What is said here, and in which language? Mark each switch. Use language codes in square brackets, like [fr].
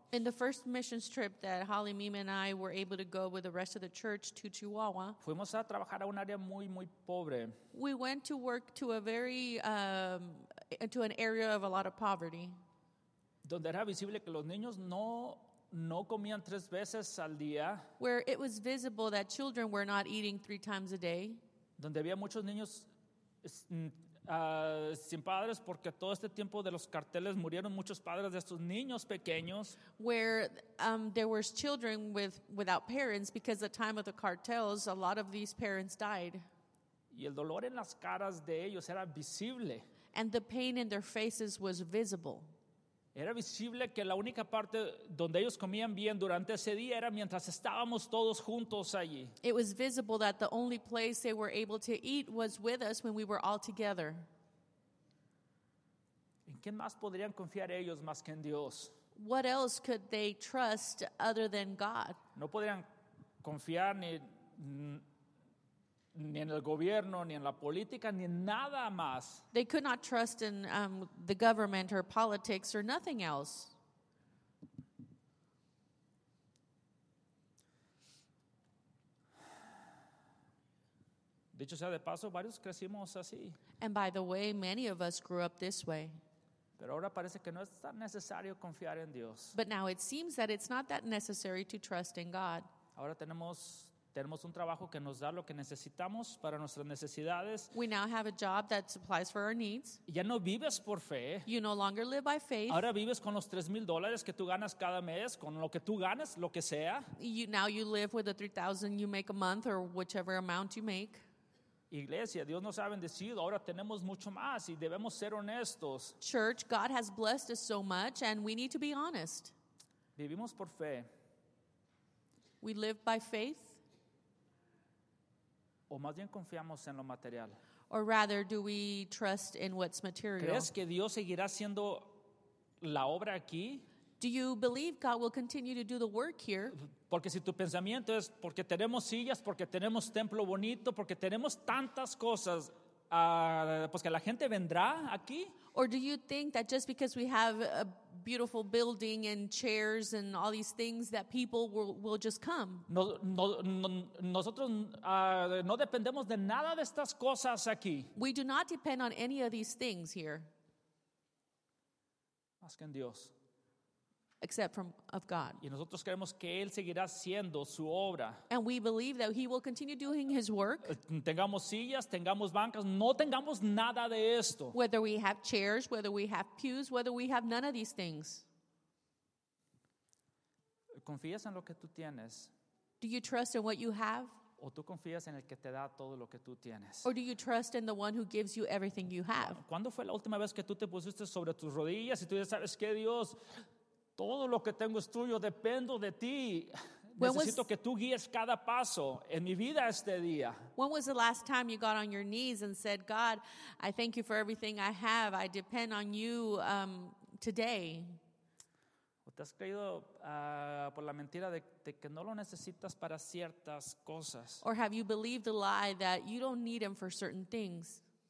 [en] In the first missions trip that Halley, Mimi and I were able to go with the rest of the church to Chihuahua. [es] Fuimos a trabajar a un área muy, muy pobre. [en] We went to work to a very, to an area of a lot of poverty. [es] Donde era visible que los niños no comían tres veces al día. [en] Where it was visible that children were not eating three times a day. [es] Donde había muchos niños sin padres porque todo este tiempo de los carteles murieron muchos padres de estos niños pequeños. [en] Where there were children without parents because the time of the cartels, a lot of these parents died. [es] Y el dolor en las caras de ellos era visible. [en] And the pain in their faces was visible. [es] Era visible que la única parte donde ellos comían bien durante ese día era mientras estábamos todos juntos allí. [en] It was visible that the only place they were able to eat was with us when we were all together. [es] ¿En quién más podrían confiar ellos más que en Dios? [en] What else could they trust other than God? [es] No podrían confiar ni en el gobierno, ni en la política, ni en nada más. [en] They could not trust in the government or politics or nothing else. [es] Dicho sea de paso, varios crecimos así. [en] And by the way, many of us grew up this way. [es] Pero ahora parece que no es tan necesario confiar en Dios. [en] But now it seems that it's not that necessary to trust in God. [es] Ahora tenemos un trabajo que nos da lo que necesitamos para nuestras necesidades. [en] We now have a job that supplies for our needs. [es] Ya no vives por fe. [en] You no longer live by faith. [es] Ahora vives con los $3,000 que tú ganas cada mes, con lo que tú ganas, lo que sea. [en] Now you live with the $3,000 you make a month or whichever amount you make. [es] Iglesia, Dios nos ha bendecido. Ahora tenemos mucho más y debemos ser honestos. [en] Church, God has blessed us so much and we need to be honest. [es] Vivimos por fe. [en] We live by faith. [es] O más bien confiamos en lo material. [en] Or rather, do we trust in what's material? [es] ¿Crees que Dios seguirá haciendo la obra aquí? [en] Do you believe God will continue to do the work here? [es] Porque si tu pensamiento es porque tenemos sillas, porque tenemos templo bonito, porque tenemos tantas cosas, pues que la gente vendrá aquí. [en] Or do you think that just because we have a beautiful building and chairs and all these things that people will just come? [es] Nosotros no dependemos de nada de estas cosas aquí. [en] We do not depend on any of these things here. [es] Más que en Dios. [en] Except from of God. [es] Y nosotros creemos que él seguirá haciendo su obra. [en] And we believe that he will continue doing his work. [es] Tengamos sillas, tengamos bancas, no tengamos nada de esto. [en] Whether we have chairs, whether we have pews, whether we have none of these things. [es] ¿Confías en lo que tú tienes? [en] Do you trust in what you have? [es] ¿O tú confías en el que te da todo lo que tú tienes? [en] Or do you trust in the one who gives you everything you have? [es] ¿Cuándo fue la última vez que tú te pusiste sobre tus rodillas y tú ya sabes que Dios, todo lo que tengo es tuyo, dependo de ti. Necesito que tú guíes cada paso en mi vida este día. [en] When was the last time you got on your knees and said, God, I thank you for everything I have. I depend on you today. [es] ¿Te has creído por la mentira de que no lo necesitas para ciertas cosas? [en] Or have you believed the lie that you don't need him for certain things?